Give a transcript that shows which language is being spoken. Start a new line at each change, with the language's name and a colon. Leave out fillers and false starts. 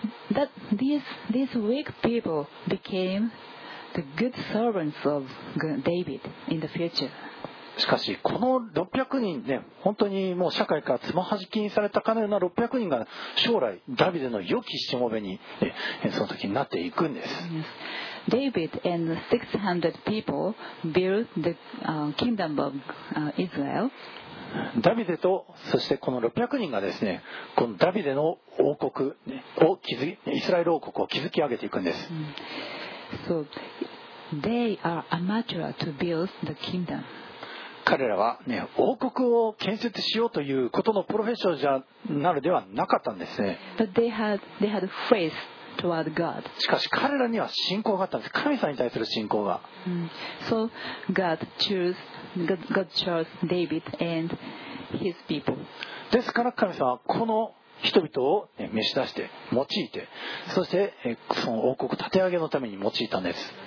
English: But these weak people became the good servants of David in the future.
Japanese: しかしこの600人ね、本当にもう社会からつまはじきにされたかのような600人が将来ダビデの良きしもべに、ね、その時になっていくんです。
English: Yes. David and 600 people built the kingdom of Israel.
Japanese: ダビデとそしてこの600人がですね、このダビデの王国を築き、イスラエル王国を築き上げていくんです。
English: So, they are amateur to build the kingdom.
Japanese: 彼らは、ね、王国を建設しようということのプロフェッショナルなるではなかったんですね。
English: But they had faith toward God.
Japanese: しかし彼らには信仰があったんです。神様に対する信仰が。
English: So, God chose David and his people.
Japanese: ですから神様はこの人々を召し出して用いて、そしてその王国立て上げのために用いたんです。